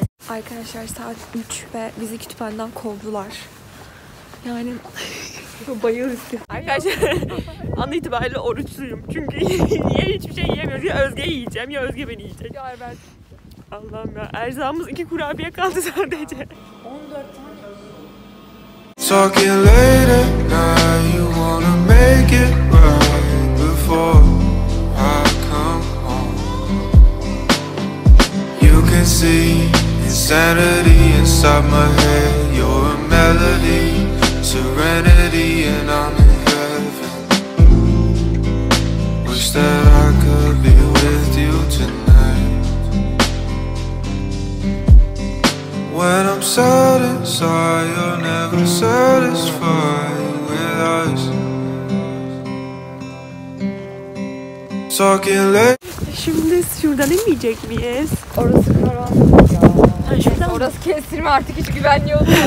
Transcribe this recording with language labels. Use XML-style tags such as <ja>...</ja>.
<tr>Arkadaşlar saat 3 ve bizi kütüphaneden kovdular. Yani bayılırız. Arkadaşlar an itibariyle oruçluyum. Çünkü ya hiçbir şey yiyemiyorum. Ya Özge yiyeceğim ya Özge beni yiyecek. Ya ben. Allah'ım ya. Erzağımız 2 kurabiye kaldı sadece. 14 tane.</tr> <en>Talking later now you wanna make it right before I come home. You can see sanity inside my head. melody, serenity, and I'm in heaven. Wish that I could be with you tonight. When I'm sad inside, you're never satisfied with us. Talking late.</en> <tr>Şimdi şuradan inmeyecek miyiz? Orası karanlık ya. Şuradan... Orası kestirme artık, hiç güvenliyorum.</tr>